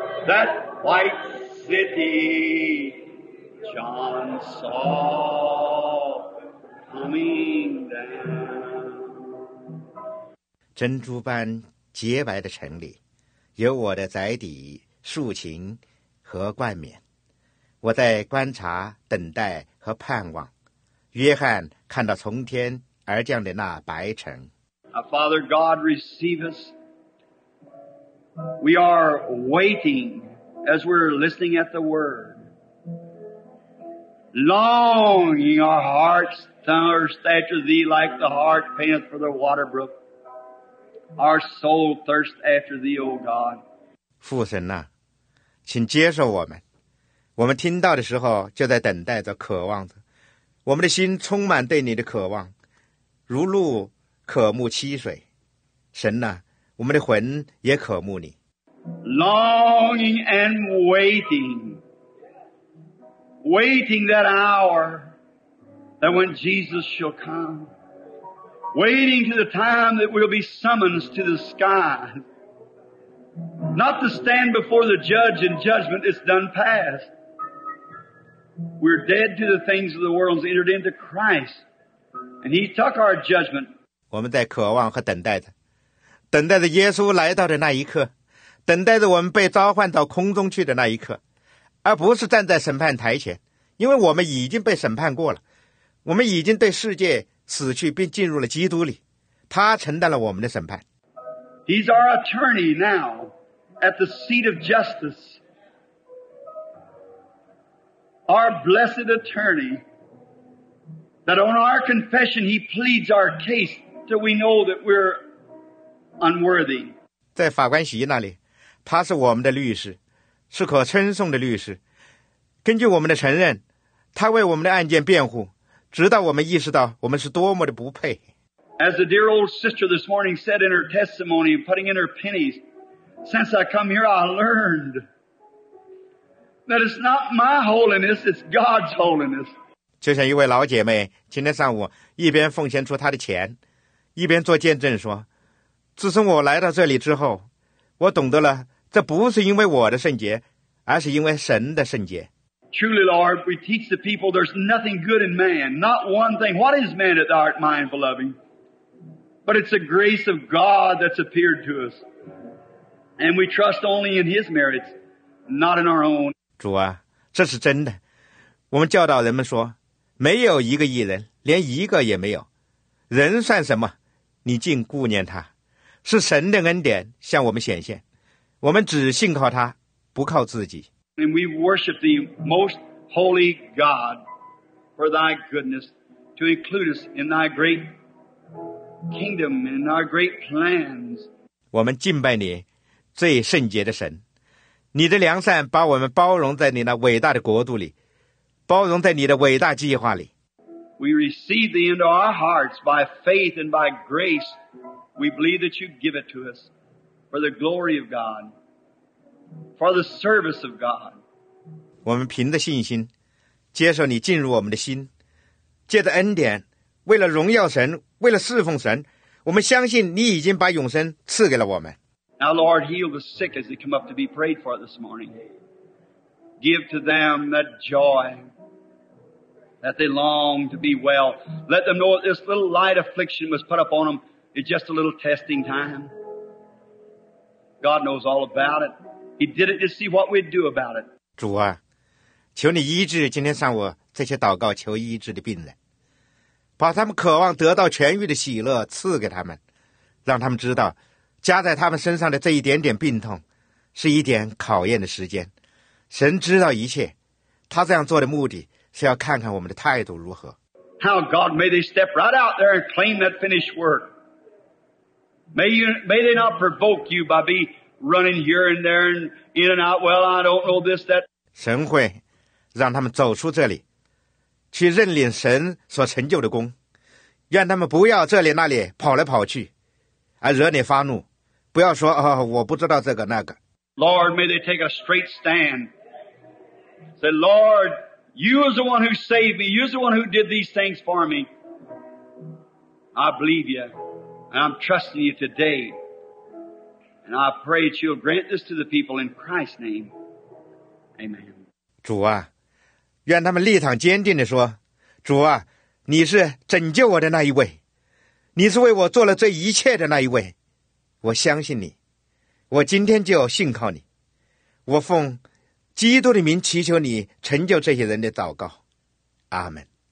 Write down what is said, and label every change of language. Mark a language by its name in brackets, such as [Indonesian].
[English] That white city John saw coming down. [Chinese] 珍珠般洁白的城里，有我的宅邸、竖琴和冠冕。我在观察、等待和盼望。约翰看到从天而降的那白城。 [English] Father God, receive us. We are waiting as we're listening at the word. Longing our hearts thirst after thee like the hart panteth for the water brook. Our soul thirst after thee, O God. [Chinese] 父神啊，请接受我们。我们听到的时候就在等待着、渴望着。我们的心充满对你的渴望，如鹿渴慕溪水。神啊，我们的魂也渴慕你。 [English] Longing and waiting. Waiting that hour that when Jesus shall come. Waiting to the time that we'll be summoned to the sky. Not to stand before the judge in judgment, it's done past. We're dead to the things of the world, entered into Christ. And he took our judgment. [Chinese] 我们在渴望和等待着，等待着耶稣来到的那一刻，等待着我们被召唤到空中去的那一刻，而不是站在审判台前，因为我们已经被审判过了，我们已经对世界死去并进入了基督里，他承担了我们的审判。 [English] He's our attorney now at the seat of justice. Our blessed attorney that on our confession he pleads our case till we know that we're unworthy. [Chinese] 在法官席那里，他是我们的律师，是可称颂的律师。根据我们的承认，他为我们的案件辩护，直到我们意识到我们是多么的不配。 [English] As the dear old sister this morning said in her testimony, putting in her pennies, since I come here, I learned that it's not my holiness, it's God's holiness. [Chinese] 就像一位老姐妹今天上午一边奉献出她的钱，一边做见证说：“自从我来到这里之后，我懂得了。” 这不是因为我的圣洁，而是因为神的圣洁。 [English] Truly, Lord, we teach the people there's nothing good in man, not one thing. What is man that thou art mindful of him? But it's the grace of God that's appeared to us. And we trust only in his merits, not in our own. [Chinese] 主啊，这是真的。我们教导人们说，没有一个义人，连一个也没有。人算什么？你竟顾念他。是神的恩典向我们显现。我们只信靠他，不靠自己。 [English] And we worship thee, most holy God, for thy goodness to include us in thy great kingdom and in our great plans. [Chinese] 我们敬拜你，最圣洁的神，你的良善把我们包容在你那伟大的国度里，包容在你的伟大计划里。 [English] We receive thee into our hearts by faith and by grace. We believe that you give it to us. For the glory of God, for the service of God. [Chinese] 我们凭着信心接受你进入我们的心，借着恩典，为了荣耀神，为了侍奉神，我们相信你已经把永生赐给了我们。 [English] Now Lord, heal the sick as they come up to be prayed for this morning. Give to them that joy that they long to be well. Let them know that this little light affliction was put upon them is just a little testing time. God knows all about it. He did it to see what we'd do about it. [Chinese] 主啊，求你医治今天上午这些祷告求医治的病人，把他们渴望得到痊愈的喜乐赐给他们，让他们知道加在他们身上的这一点点病痛是一点考验的时间。神知道一切，他这样做的目的是要看看我们的态度如何。 [English] How God may they step right out there and claim that finished work. May they not provoke you by be running here and there and in and out. Well, I don't know this, that. [Chinese] 神会让他们走出这里，去认领神所成就的功。愿他们不要这里那里跑来跑去，而惹你发怒。不要说，哦，我不知道这个那个。 [English] Lord, may they take a straight stand. Say, Lord, you is the one who saved me. You is the one who did these things for me. I believe you. And I'm trusting you today. And I pray that you'll grant this to the people in Christ's name. Amen. [Chinese] 主啊，愿他们立场坚定地说，主啊，你是拯救我的那一位，你是为我做了这一切的那一位，我相信你，我今天就信靠你，我奉基督的名祈求你成就这些人的祷告，阿们。